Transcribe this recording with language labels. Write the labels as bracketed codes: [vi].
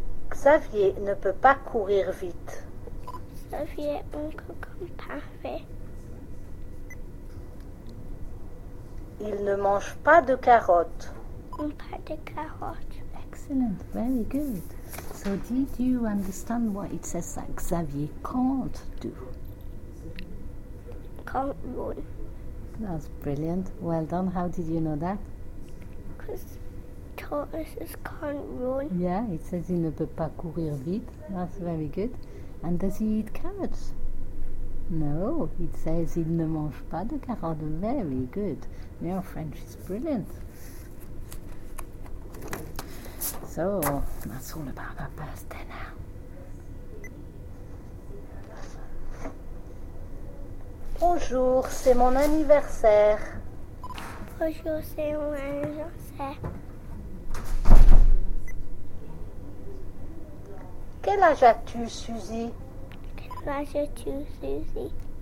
[fr] Xavier ne peut pas courir vite. Xavier ne court pas vite. Il ne mange pas de carottes. Pas de carottes. [en] Excellent, very good. So did you understand what it says that Xavier can't do? Can't run. That's brilliant. Well done. How did you know that? Because tortoises can't run. Yeah, it says [fr] il ne peut pas courir vite. [en] That's very good. And does he eat carrots? No, it says [fr] il ne mange pas de carottes. [en] Very good. Your French is brilliant. So, that's all about our birthday now. [fr] Bonjour, c'est mon anniversaire. Bonjour, c'est mon anniversaire. Quel âge as-tu, Suzy? Quel âge as-tu, Suzy?